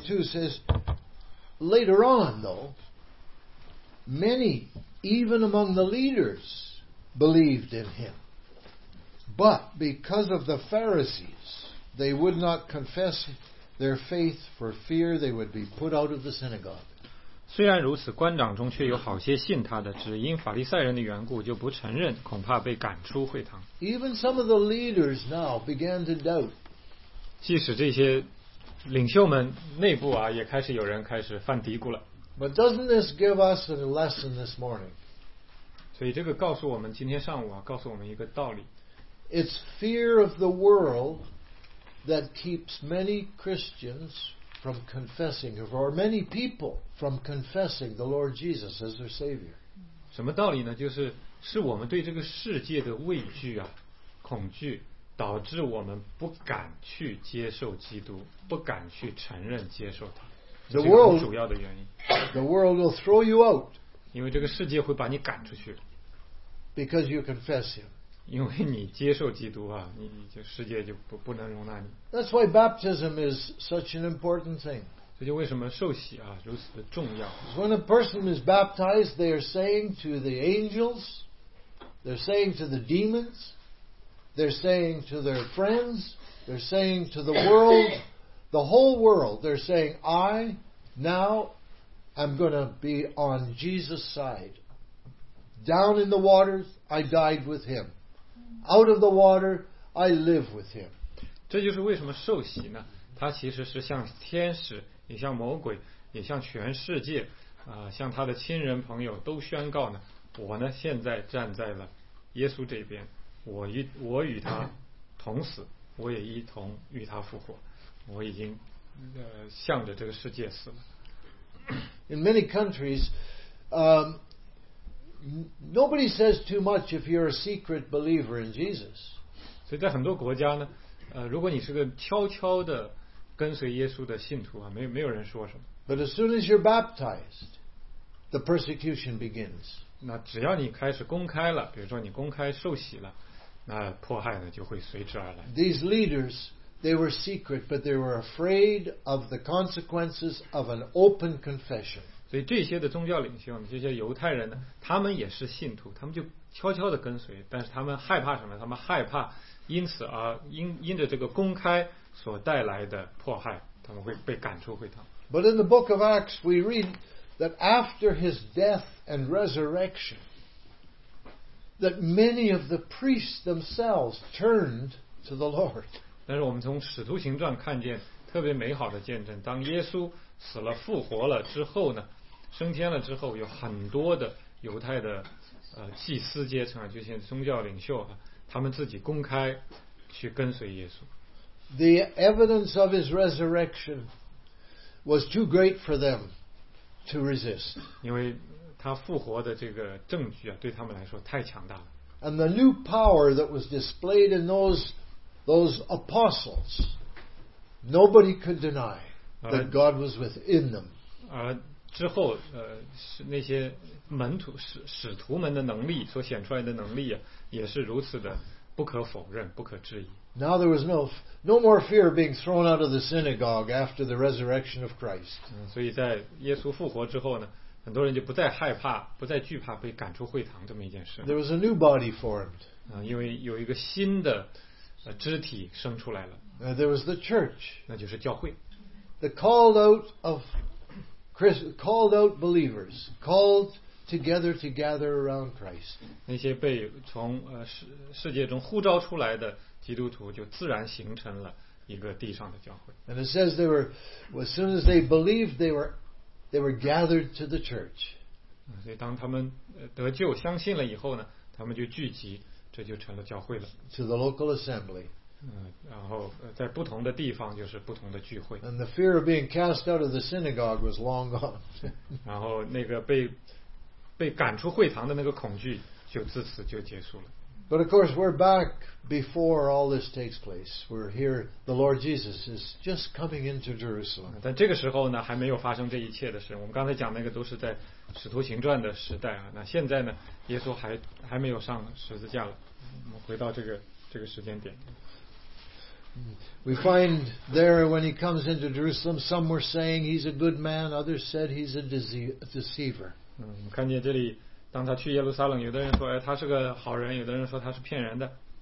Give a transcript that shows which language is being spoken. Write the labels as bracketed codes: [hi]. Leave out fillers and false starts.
[en] Verse 42 says, later on though, many even among the leaders believed in him, but because of the Pharisees they would not confess their faith for fear they would be put out of the synagogue. [zh] 虽然如此，官长中却有好些信他的，只因法利赛人的缘故就不承认，恐怕被赶出会堂。 [en] Even some of the leaders now began to doubt. [zh] 即使这些领袖们内部啊，也开始有人开始犯嘀咕了。 [en] But doesn't this give us a lesson this morning? [zh] 所以这个告诉我们，今天上午啊，告诉我们一个道理。 [en] It's fear of the world that keeps many Christians from confessing, or many people from confessing the Lord Jesus as their Savior. [zh] 什么道理呢？就是是我们对这个世界的畏惧啊，恐惧，导致我们不敢去接受基督，不敢去承认接受他。 [en] The world, [zh] 主要的原因。 [en] The world will throw you out. [zh] 因为这个世界会把你赶出去。 [en] Because you confess him. [zh] 因为你接受基督啊，你就世界就不能容纳你。 [en] That's why baptism is such an important thing. [zh] 这就为什么受洗啊如此的重要。 [en] When a person is baptized, they are saying to the angels, they're saying to the demons, they're saying to their friends, they're saying to the world, the whole world, they're saying, I now am going to be on Jesus' side. Down in the waters, I died with him. Out of the water, I live with him. [zh] 这就是为什么受洗呢？它其实是向天使，也向魔鬼，也向全世界，向他的亲人朋友都宣告呢。我呢，现在站在了耶稣这边，我与他同死，我也一同与他复活，我已经向着这个世界死了。 [en] In many countries, nobody says too much if you're a secret believer in Jesus. [zh] 所以在很多国家呢，如果你是个悄悄的跟随耶稣的信徒啊，没有人说什么。 [en] But as soon as you're baptized, the persecution begins. [zh] 那只要你开始公开了，比如说你公开受洗了，那迫害呢就会随之而来。 [en] These leaders, they were secret, but they were afraid of the consequences of an open confession. [zh] 所以这些的宗教领袖，这些犹太人呢，他们也是信徒，他们就悄悄地跟随，但是他们害怕什么？他们害怕因此而因着这个公开所带来的迫害，他们会被赶出会堂。 [en] But in the book of Acts, we read that after his death and resurrection, that many of the priests themselves turned to the Lord. [zh] 但是我们从《使徒行传》看见特别美好的见证，当耶稣死了、复活了之后呢，升天了之后，有很多的犹太的祭司阶层啊，就像宗教领袖啊，他们自己公开去跟随耶稣。 [en] The evidence of his resurrection was too great for them to resist. [zh] 因为他复活的这个证据啊，对他们来说太强大了。 [en] And the new power that was displayed in those apostles, nobody could deny that God was within them. [zh] 而之后是那些门徒使徒们的能力所显出来的能力啊，也是如此的不可否认，不可置疑。 [en] Now there was no more fear being thrown out of the synagogue after the resurrection of Christ. [zh] 所以在耶稣复活之后呢，很多人就不再害怕，不再惧怕被赶出会堂这么一件事。 [en] There was a new body formed. [zh] 因为有一个新的肢体生出来了。 [en] There was the church. [zh] 那就是教会。 [en] The called out of called out believers, called together to gather around Christ. [zh] 那些被从世界中呼召出来的基督徒就自然形成了一个地上的教会。 [en] And it says they were, as soon as they believed, they were gathered to the church. [zh] 所以当他们得救相信了以后呢，他们就聚集，这就成了教会了。 [en] To the local assembly. [zh] 然后在不同的地方就是不同的聚会。 [en] And the fear of being cast out of the synagogue was long gone. [zh] 然后那个被赶出会堂的那个恐惧就自此就结束了。 [en] But of course, we're back before all this takes place. We're here. The Lord Jesus is just coming into Jerusalem. [zh] 但这个时候呢，还没有发生这一切的事。我们刚才讲那个都是在《使徒行传》的时代啊。那现在呢，耶稣还没有上十字架了。我们回到这个时间点。 [en] We find there when he comes into Jerusalem, some were saying he's a good man. Others said he's a deceiver. [zh] 看见这里。当他去耶路撒冷，有的人说，哎，他是个好人；有的人说他是骗人的。